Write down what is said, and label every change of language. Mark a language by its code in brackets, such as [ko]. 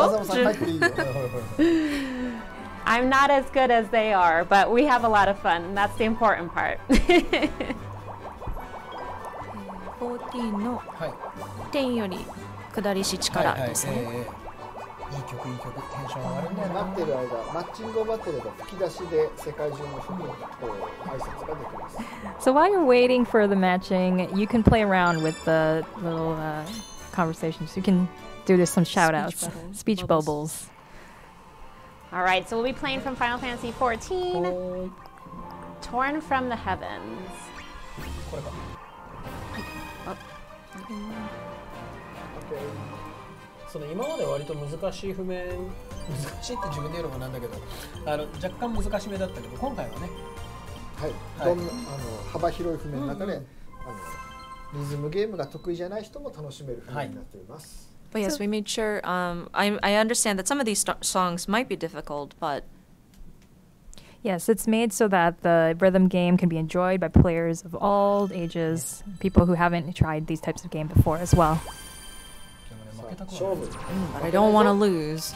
[en] I'm not as good as they are, but we have a lot of fun. That's the important part. [ja] 14 の 10 より下りし力ですね。いい曲いい曲テンション上がるんだよな。待ってる間マッチングバトルが吹き出しで世界中の人と挨拶ができます。 [en] So while you're waiting for the matching, you can play around with the little conversations. You can do this some shout outs, speech bubbles. All right, so we'll be playing from Final Fantasy 14, Torn from the Heavens. [ja] これか。その今まで割と難しい譜面、難しいって自分で言うのもなんだけど、若干難しめだったけど、今回はね、はい、はい、どんあの幅広い譜面の中で、あのリズムゲームが得意じゃない人も楽しめる譜面になっています。はい、 [en] But yes, we made sure. I understand that some of these songs might be difficult, but yes, it's made so that the rhythm game can be enjoyed by players of all ages, yes. people who haven't tried these types of game before as well. But I don't want to lose.